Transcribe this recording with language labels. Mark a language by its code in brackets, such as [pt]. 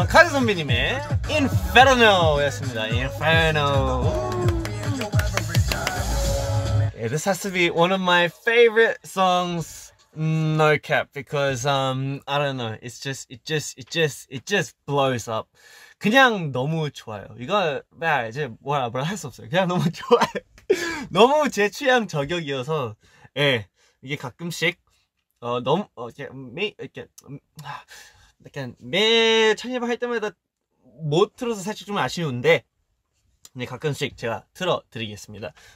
[ko] 선배님의 인페르노였습니다. 인페르노. 예, [en] this has to be one of my favorite songs, no cap, because I don't know, it just blows up. [ko] 그냥 너무 좋아요. 이거 이제 뭐라 할 수 없어요. 그냥 너무 좋아요. 너무 제 취향 저격이어서 예, 이게 가끔씩 너무 이렇게 약간 매 천일방 할 때마다 못 틀어서 살짝 좀 아쉬운데 근데 가끔씩 제가 틀어드리겠습니다.